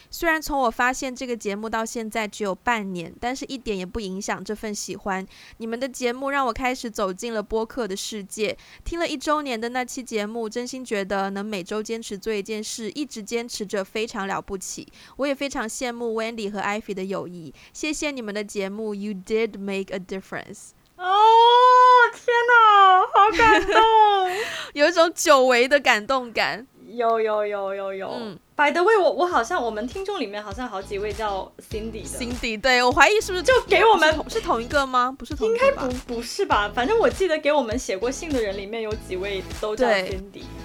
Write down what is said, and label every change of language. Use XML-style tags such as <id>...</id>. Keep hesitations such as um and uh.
<zh>虽然从我发现这个节目到现在只有半年，但是一点也不影响这份喜欢。你们的节目让我开始走进了播客的世界。听了一周年的那期节目，真心觉得能每周坚持做一件事，一直坚持着非常了不起。我也非常羡慕 Wendy 和 Ivy 的友谊。谢谢你们的节目，</zh> <en>You did make a difference。</en> <zh>”哦，天哪，好感动， 有一种久违的感动感。有有有有有，嗯</zh> <en>By the，way，</en> <zh>我我好像我们听众里面好像好几位叫 Cindy 的，Cindy，对我怀疑是不是就给我们是同一个吗？不是同一个，同应该不不是吧？反正我记得给我们写过信的人里面有几位都叫 Cindy，</zh>